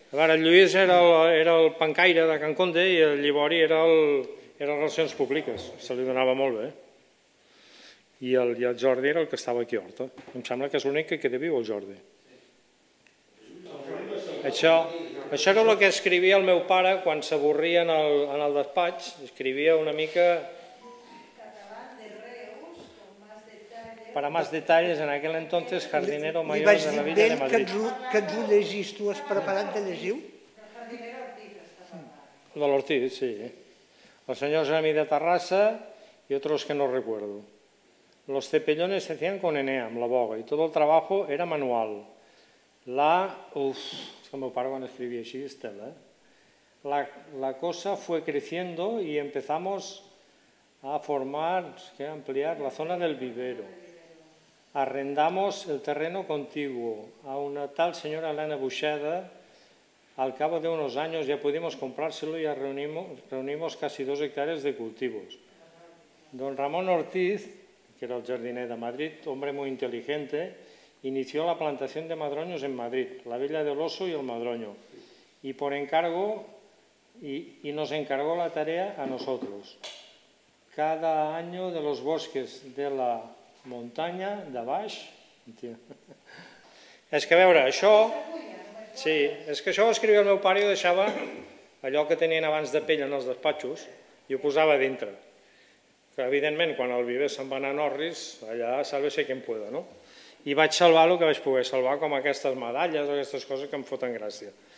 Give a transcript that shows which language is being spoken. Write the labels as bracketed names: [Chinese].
[Catalan] A veure, el Lluís era el pancaire de Can Conde i el Llibori era relacions públiques, se li donava molt bé. I el Jordi era el que estava aquí a Horta. Em sembla que és l'únic que queda viu, el Jordi. El Jordi va ser el Això era el que escrivia el meu pare quan s'avorria en el despatx. Escrivia una mica... [Spanish] Para más detalles, en aquel entonces, jardinero mayor de la Villa de Madrid. [Catalan] Li vaig dir que ens ho llegis, tu has preparat de llegir-ho? De l'Ortiz, sí. [Spanish] El senyor Jami de Terrassa y otros que no recuerdo. Los cepellones se hacían con enea, [Catalan] amb la boga, [Spanish] y todo el trabajo era manual. [Catalan] És que el meu pare quan escrivia així, Estela. [Spanish] La cosa fue creciendo y empezamos a formar, a ampliar la zona del vivero. Arrendamos el terreno contiguo a una tal señora Elena Buxeda. Al cabo de unos años ya pudimos comprárselo y ya reunimos casi 2 hectáreas de cultivos. Don Ramón Ortiz, que era el jardiner de Madrid, hombre muy inteligente, inició la plantación de madroños en Madrid, la Villa del Oso y el Madroño, y por encargo y nos encargó la tarea a nosotros. Cada año de los bosques de la [Catalan] muntanya de baix. És que a veure, això... Sí, és que això ho escrivia el meu pare i ho deixava allò que tenien abans de pell en els despatxos i ho posava dintre. Que, evidentment, quan el viver se'n va anar a Norris, allà salve-se qui en pueda, no? I vaig salvar el que vaig poder salvar, com aquestes medalles o aquestes coses que em foten gràcia.